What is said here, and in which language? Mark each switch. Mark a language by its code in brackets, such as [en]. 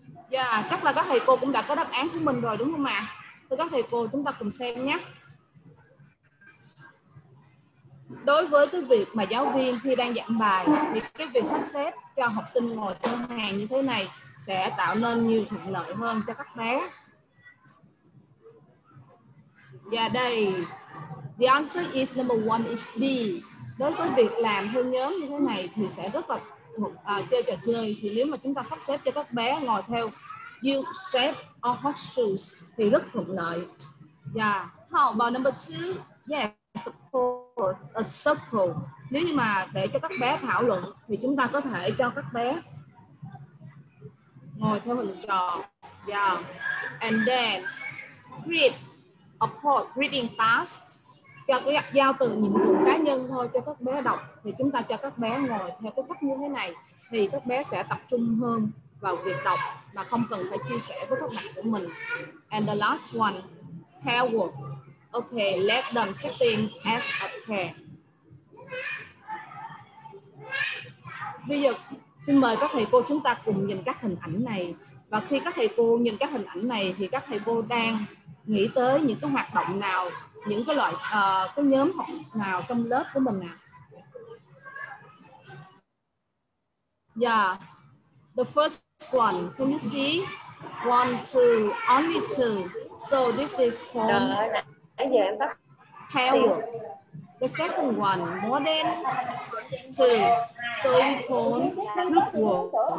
[vi] Dạ, chắc là các thầy cô cũng đã có đáp án của mình rồi đúng không ạ? Thưa các thầy cô, chúng ta cùng xem nhé. Đối với cái việc mà giáo viên khi đang giảng bài thì cái việc sắp xếp cho học sinh ngồi trong hàng như thế này sẽ tạo nên nhiều thuận lợi hơn cho các bé. Và đây, [en] the answer is number one is B. [vi] Đối với việc làm theo nhóm như thế này thì sẽ rất là chơi trò chơi. Thì nếu mà chúng ta sắp xếp cho các bé ngồi theo U shape or horseshoes thì rất thuận lợi. Yeah. [en] How about number two? Yes, of course, a circle. [vi] Nếu như mà để cho các bé thảo luận thì chúng ta có thể cho các bé ngồi theo hình tròn. Yeah. [en] And then read a part reading task. [vi] Cho cái giao từ nhiệm vụ cá nhân thôi cho các bé đọc thì chúng ta cho các bé ngồi theo cái cách như thế này thì các bé sẽ tập trung hơn vào việc đọc mà không cần phải chia sẻ với các bạn của mình. [en] And the last one, pair work. Okay, let them sit in as a pair. [vi] Bây giờ xin mời các thầy cô chúng ta cùng nhìn các hình ảnh này. Và khi các thầy cô nhìn các hình ảnh này thì các thầy cô đang nghĩ tới những cái hoạt động nào, những cái loại cái nhóm học nào trong lớp của mình ạ? [en] The first one, can you see? One, two, only two. So this is called pair work. The second one, more than two. So we call group work.